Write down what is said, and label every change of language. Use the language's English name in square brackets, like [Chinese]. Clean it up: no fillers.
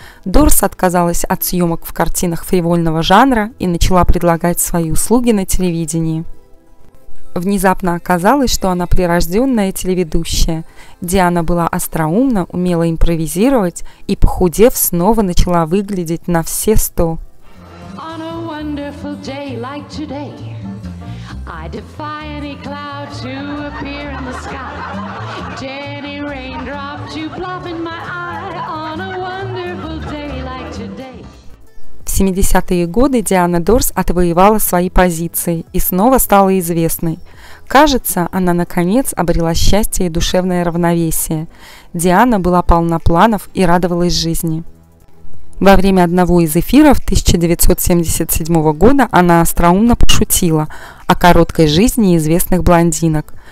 [Russian] Дорс отказалась от съемок в картинах фривольного жанра и начала предлагать свои услуги на телевидении. Внезапно оказалось, что она прирожденная телеведущая. Диана была остроумна, умела импровизировать и, похудев, снова начала выглядеть на все сто. [English] On a wonderful day like today, I defy any cloud to appear in the sky, any raindrop to plop in my eye on a wonderful day like today. [Russian] В 70-е годы Диана Дорс отвоевала свои позиции и снова стала известной. Кажется, она наконец обрела счастье и душевное равновесие. Диана была полна планов и радовалась жизни. Во время одного из эфиров 1977 года она остроумно пошутила о короткой жизни известных блондинок.